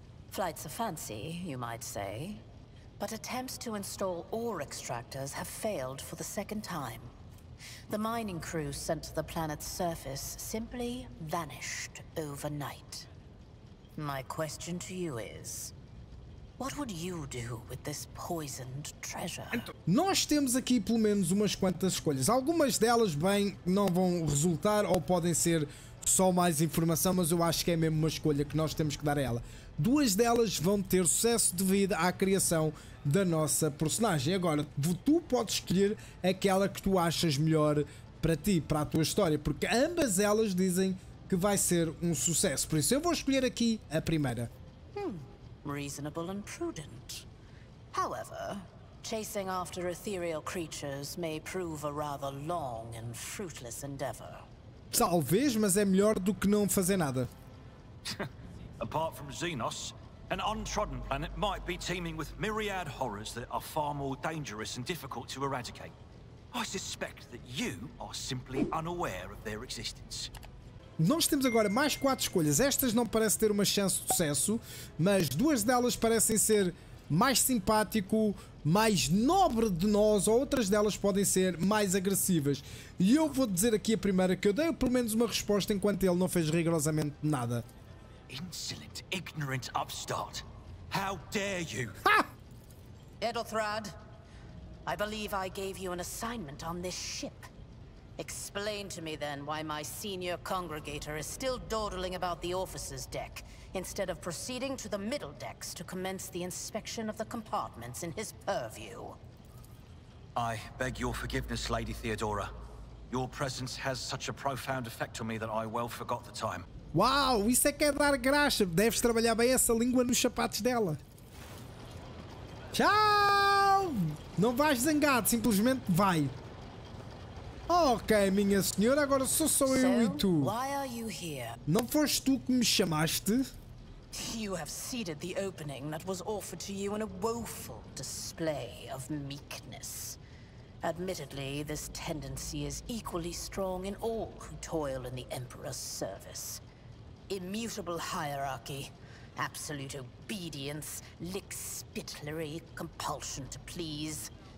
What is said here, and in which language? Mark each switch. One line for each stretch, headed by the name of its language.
English: Flights of fancy, you might say. But attempts to install ore extractors have failed for the second time. The mining crews sent to the planet's surface simply vanished overnight. My question to you is... What would you do with this poisoned treasure?
Portuguese: Então, nós temos aqui pelo menos umas quantas escolhas. Algumas delas, bem, não vão resultar ou podem ser só mais informação, mas eu acho que é mesmo uma escolha que nós temos que dar a ela. Duas delas vão ter sucesso devido à criação da nossa personagem. Agora, tu podes escolher aquela que tu achas melhor para ti, para a tua história, porque ambas elas dizem que vai ser um sucesso. Por isso, eu vou escolher aqui a primeira.
English: Reasonable and prudent. However, chasing after ethereal creatures may prove a rather long and fruitless endeavor.
Portuguese: Talvez, mas é melhor do que não fazer nada.
English: Apart from Xenos, an untrodden planet might be teeming with myriad horrors that are far more dangerous and difficult to eradicate. I suspect that you are simply unaware of their existence.
Portuguese: Nós temos agora mais 4 escolhas. Estas não parecem ter uma chance de sucesso, mas duas delas parecem ser mais simpático, mais nobre de nós, ou outras delas podem ser mais agressivas. E eu vou dizer aqui a primeira, que eu dei pelo menos uma resposta enquanto ele não fez rigorosamente nada.
English: Insolent, ignorant upstart. How dare you? Ha! Edelthrad, I believe I gave you an assignment on this ship. Explain to me then why my senior congregator is still dawdling about the officer's deck instead of proceeding to the middle decks to commence the inspection of the compartments in his purview. I beg your forgiveness, Lady Theodora. Your presence has such a profound effect on me that I well forgot the time.
Portuguese: Uau, isso é que é dar graça. Deves trabalhar bem essa língua nos sapatos dela. Tchau! Não vais zangado, simplesmente vai. Ok, minha senhora, agora sou só eu e tu.
English: Why are you here?
Portuguese: Não foste tu que me chamaste?
English: You have ceded the opening that was offered to you in a woeful display of meekness. Admittedly, this tendency is equally strong in all who toil in the Emperor's service. Immutable hierarchy, absolute obedience, lick-spittlery compulsion to please.